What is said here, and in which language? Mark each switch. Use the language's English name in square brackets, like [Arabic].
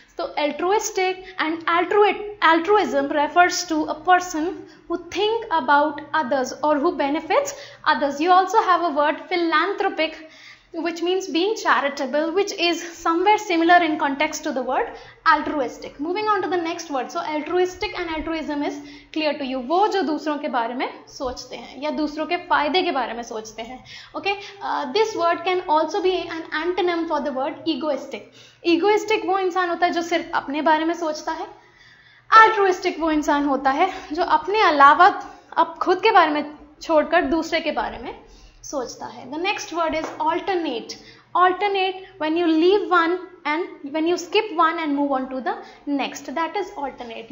[English] तो altruistic and altruism refers to a person who think about others or who benefits others. You also have a word philanthropic which means being charitable, which is somewhere similar in context to the word altruistic. Moving on to the next word. So altruistic and altruism is clear to you. [Hindi] वो जो दूसरों के बारे में सोचते हैं या दूसरों के फायदे के बारे में सोचते हैं, okay? [English] This word can also be an antonym for the word egoistic. [Hindi] Egoistic वो इंसान होता है जो सिर्फ अपने बारे में सोचता है. Altruistic वो इंसान होता है जो अपने अलावा अब खुद के बारे में छोड़कर दूसरे के बारे में सोचता है. [English] The next word is alternate. Alternate when you leave one and when you skip one and move on to the next, that is alternate.